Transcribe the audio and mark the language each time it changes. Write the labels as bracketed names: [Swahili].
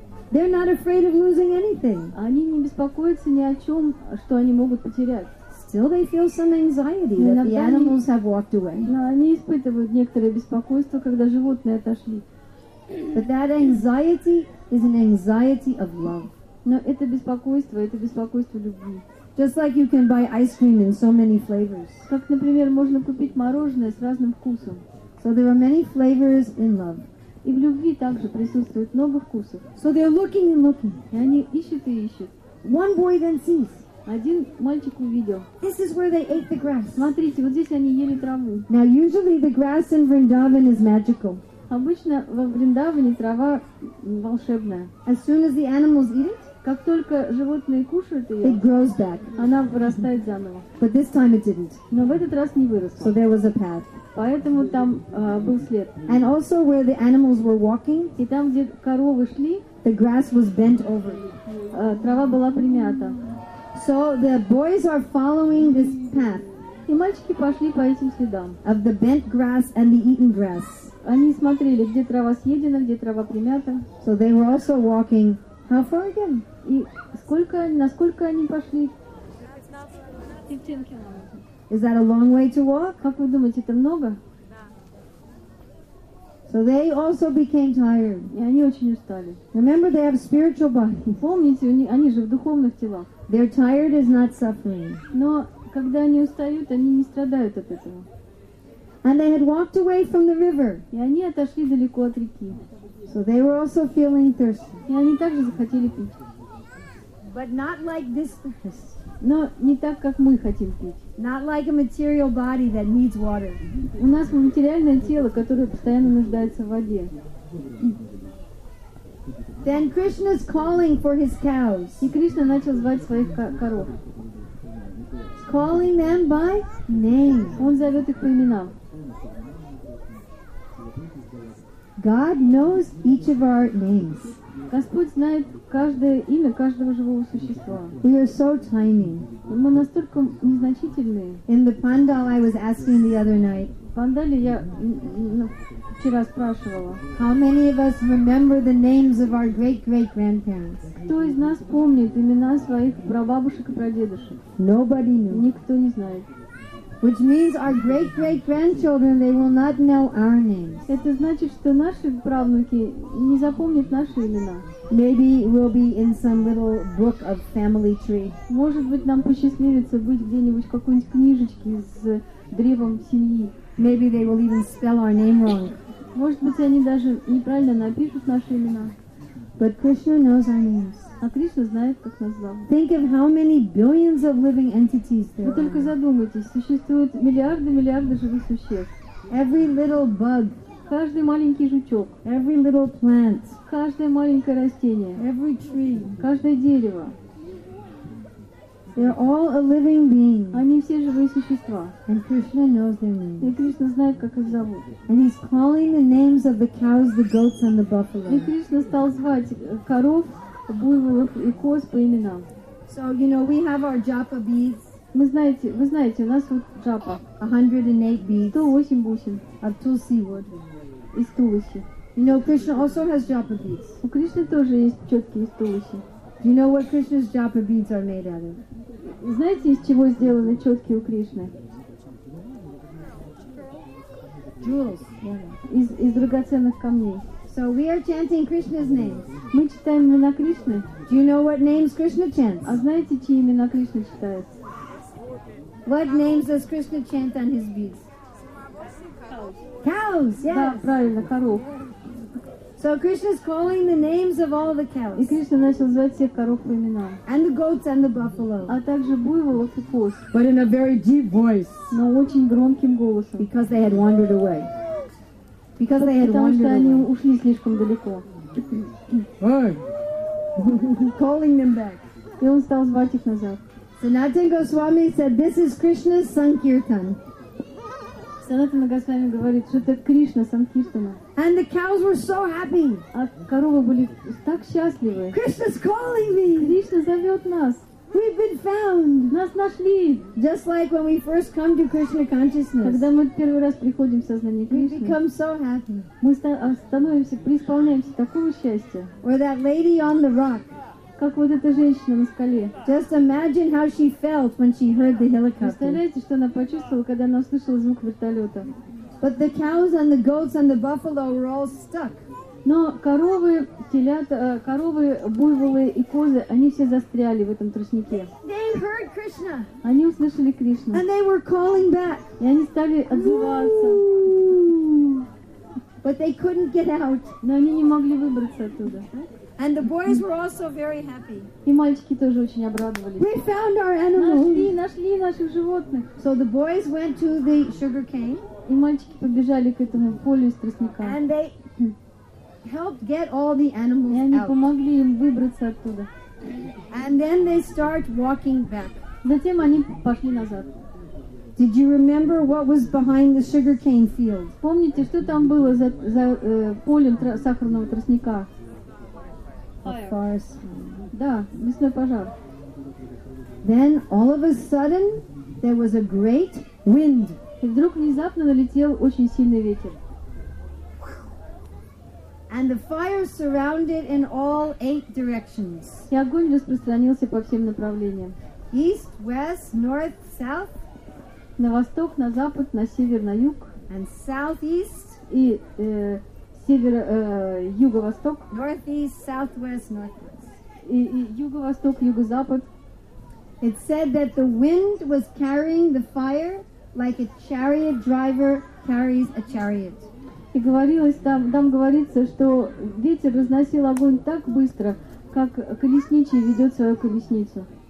[English] They're not afraid of losing anything. [Russian] Они не беспокоятся ни о чем, что они могут потерять. [English] Still they feel some anxiety that the animals have walked away. [Russian] Но они испытывают некоторое беспокойство, когда животные отошли. [English] But that anxiety is an anxiety of love. [Russian] Но это беспокойство любви. [English] Just like you can buy ice cream in so many flavors. [Russian] Как, например, можно купить мороженое с разным вкусом. [English] So there are many flavors in love. [Russian] И в любви также присутствует много вкусов. [English] So they're looking and looking. [Russian] И они ищут и ищут. [English] One boy then sees. [Russian] Один мальчик увидел. [English] This is where they ate the grass. [Russian] Смотрите, вот здесь они ели траву. [English] Now usually the grass in Vrindavan is magical. [Russian] Обычно во Вриндаване трава волшебная. [English] As soon as the animals eat it, [Russian] как только животные кушают ее, [English] it grows back. [Russian] Она вырастает заново. [English] But this time it didn't. [Russian] Но в этот раз не выросла. [English] So there was a path. [Russian] Поэтому там был след. [English] And also where the animals were walking, [Russian] и там, где коровы шли, [English] the grass was bent over. [Russian] Трава была примята. [English] So the boys are following this path. [Russian] И мальчики пошли по этим следам. [English] Of the bent grass and the eaten grass. [Russian] Они смотрели, где трава съедена, где трава примята. [English] So they were also walking. How far again? [Russian] И сколько, насколько они пошли? [English] Is that a long way to walk? [Russian] Как вы думаете, это много? [English] So they also became tired. [Russian] И они очень устали. [English] Remember, they have spiritual bodies. [Russian] Помните, они же в духовных телах. [English] They're tired is not suffering. [Russian] Но когда они устают, они не страдают от этого. [English] And they had walked away from the river. [Russian] И они отошли далеко от реки. [English] So they were also feeling thirsty. [Russian] И они также захотели пить. [English] But not like this thirst. [Russian] Но не так, как мы хотим пить. [English] Not like a material body that needs water. [Russian] У нас материальное тело, которое постоянно нуждается в воде. [English] Then Krishna's calling for his cows. [Russian] И Кришна начал звать своих коров. [English] Calling them by name. [Russian] Он зовет их по именам. [English] God knows each of our names. [Russian] Господь знает каждое имя каждого живого существа. [English] We are so tiny. [Russian] Мы настолько незначительные. [English] In the Pandal, I was asking the other night. [Russian] В Пандале я вчера спрашивала. [English] How many of us remember the names of our great-great-grandparents? [Russian] Кто из нас помнит имена своих прабабушек и прадедушек? [English] Nobody knew. [Russian] Никто не знает. [English] Which means our great-great-grandchildren, they will not know our names. [Russian] Это значит, что наши правнуки не запомнят наши имена. [English] Maybe we'll be in some little book of family tree. [Russian] Может быть, нам посчастливится быть где-нибудь в какой-нибудь книжечке с древом семьи. [English] Maybe they will even spell our name wrong. [Russian] Может быть, они даже неправильно напишут наши имена. [English] But Krishna knows our names. [Russian] А Кришна знает, как нас зовут. [English] Think of how many billions of living entities there [Russian] Вы только задумайтесь, существуют миллиарды живых существ. [English] Every little bug. [Russian] Каждый маленький жучок. [English] Every little plant. [Russian] Каждое маленькое растение. [English] Every tree. [Russian] Каждое дерево. [English] They're all a living being. [Russian] Они все живые существа. [English] And Krishna knows their names. [Russian] И Кришна знает, как их зовут. [English] And he's calling the names of the cows, the goats, and the buffalo. [Russian] И Кришна стал звать коров, буйволов и коз по именам. [English] So, you know, we have our japa beads. [Russian] Вы знаете, у нас вот джапа. [English] 108 beads. [Russian] 108 бусин. [English] Of tulsi wood. [Russian] Из тулуси. [English] You know, Krishna also has japa beads. [Russian] У Кришны тоже есть четки из тулуси. [English] Do you know what Krishna's japa beads are made out of? [Russian] Знаете, из чего сделаны четки у Кришны? [English] Jewels. [Russian] Из драгоценных камней. [English] So we are chanting Krishna's names. [Russian] Мы читаем имена Кришны. [English] Do you know what names Krishna chants? [Russian] А знаете, чьи имена Кришна читает? [English] What names does Krishna chant on his beads? Cows. Yes. [Russian] Да, правильно, коров. [English] So Krishna's calling the names of all the cows. [Russian] И Кришна начал звать всех коров по именам. [English] And the goats and the buffalo. [Russian] А также буйволов и коз. [English] But in a very deep voice. [Russian] Но очень громким голосом. [English] Because they had wandered away. Because they had [Russian] Потому [English] wandered [Russian] что [English] away. [Russian] Они ушли слишком далеко. [English] Hey. Calling them back. [Russian] И он стал звать их назад. [English] Sanatana Goswami said, "This is Krishna's sankirtan." [Russian] Sanatana Goswami говорит, что это Кришна санкиртана. [English] And the cows were so happy. [Russian] А коровы были так счастливы. [English] Krishna's calling me. [Russian] Кришна зовет нас. [English] We've been found. [Russian] Нас нашли. [English] Just like when we first come to Krishna consciousness. [Russian] Когда мы первый раз приходим в сознание Кришны. [English] We become so happy. [Russian] Мы становимся, преисполняемся такого счастья. [English] Or that lady on the rock. [Russian] Как вот эта женщина на скале. [English] Just imagine how she felt when she heard the helicopter. [Russian] Представляете, что она почувствовала, когда она услышала звук вертолета. [English] But the cows and the goats and the buffalo were all stuck. [Russian] Но коровы, телята, коровы, буйволы и козы, они все застряли в этом тростнике. [English] They heard Krishna. [Russian] Они услышали Кришну. [English] And they were calling back. [Russian] И они стали отзываться. [English] But they couldn't get out. [Russian] Но они не могли выбраться оттуда. [English] And the boys were also very happy. [Russian] И мальчики тоже очень обрадовались. [English] We found our animals. [Russian] Нашли наших животных. [English] So the boys went to the sugar cane. [Russian] И мальчики побежали к этому полю из тростника. [English] And they helped get all the animals [Russian] И они [English] out. [Russian] Помогли им выбраться оттуда. [English] And then they start walking back. [Russian] Затем они пошли назад. [English] Did you remember what was behind the sugarcane field? [Russian] Помните, что там было за полем сахарного тростника? [English] Fire. [Russian] Да, лесной пожар. [English] Then all of a sudden, there was a great wind. [Russian] И вдруг внезапно налетел очень сильный ветер. [English] And the fire surrounded in all eight directions. [Russian] И огонь распространился по всем направлениям. [English] East, west, north, south. [Russian] На восток, на запад, на север, на юг. [English] And southeast. [Russian] И север, юго-восток. [English] Northeast, southwest, northwest. [Russian] И юго-восток, юго-запад. [English] It said that the wind was carrying the fire like a chariot driver carries a chariot. [Russian] И говорилось там, там говорится, что ветер разносил огонь так быстро, как колесничий ведет свою колесницу.